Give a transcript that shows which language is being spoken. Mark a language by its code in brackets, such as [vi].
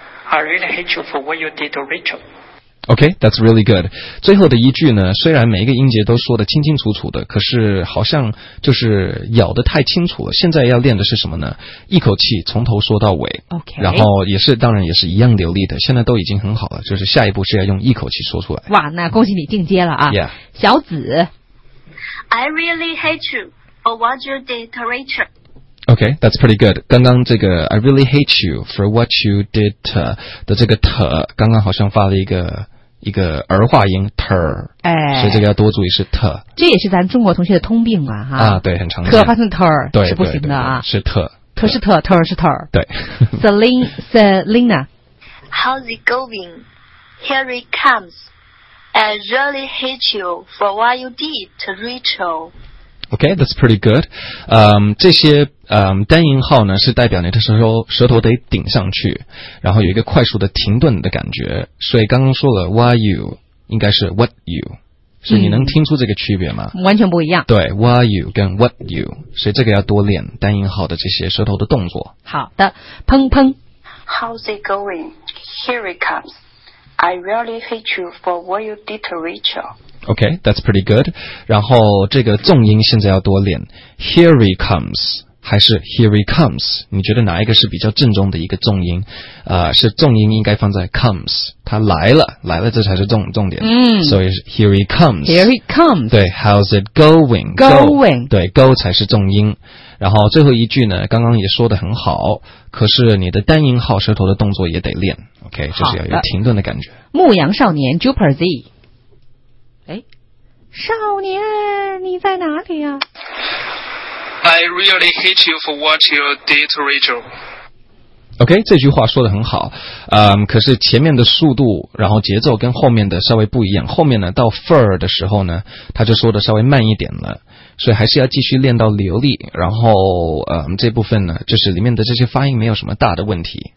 [en] I really hate you for what you did to Rachel. Okay, that's really good. [zh] 最后的一句呢，虽然每一个音节都说得清清楚楚的，可是好像就是咬得太清楚了。现在要练的是什么呢？一口气从头说到尾。 [en] Okay. [zh] 然后也是，当然也是一样流利的。现在都已经很好了，就是下一步是要用一口气说出来。哇，那恭喜你进阶了啊！ [en] Yeah. [zh] 小紫 [en] ，I really hate you for what you did to Rachel. Okay, that's pretty good. [zh] 刚刚这个 I really hate you for what you did to 的这个 to 刚刚好像发了一个儿化音 to、哎、所以这个要多注意是 to 这也是咱中国同学的通病啊哈啊，对很常见 to 发成 to 对是不行的啊是 to 可是 to 是 to 对 Selina [en] How's it going? Here it comes I really hate you for what you did to Rachel Okay, that's pretty good. [zh] 这些单音号呢是代表你的舌头得顶上去然后有一个快速的停顿的感觉。所以刚刚说了 why you, 应该是 what you. 所以你能听出这个区别吗、完全不一样。对 ,why you 跟 what you. 所以这个要多练单音号的这些舌头的动作。好的砰砰。 [en] How's it going? Here it comes. I really hate you for what you did to Rachel. Okay, that's pretty good. [zh] 然后这个重音现在要多练。 [en] Here he comes, 还是 here he comes? [zh] 你觉得哪一个是比较正宗的一个重音？是重音应该放在 comes, 他来了，来了这才是重点。嗯。 [en] 所以 here he comes. Here he comes. 对 ,how's it going? Going. [zh] Go, 对 ,go 才是重音。然后最后一句呢刚刚也说得很好可是你的单音号舌头的动作也得练。 Okay, 就是要有停顿的感觉。牧羊少年 ,Jupiter Z. 哎，少年，你在哪里呀、 [en] 啊、？I really hate you for what you did to Rachel. [zh] OK, 这句话说得很好，可是前面的速度，然后节奏跟后面的稍微不一样。后面呢，到 fur 的时候呢，他就说的稍微慢一点了，所以还是要继续练到流利。然后，这部分呢，就是里面的这些发音没有什么大的问题。